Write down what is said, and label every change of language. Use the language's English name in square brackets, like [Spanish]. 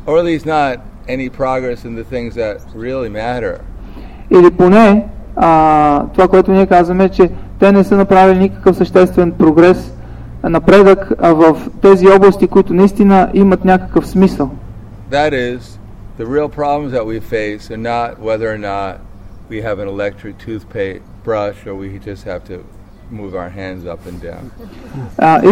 [English] Or at least not any progress in the things that really matter. [Bulgarian] Или поне това, което ние казваме, че те не са направили никакъв съществен прогрес, напредък в тези области, които наистина имат някакъв смисъл. [English] That is, the real problems that we face are not whether or not we have an electric toothbrush or we just have to move our hands up and down.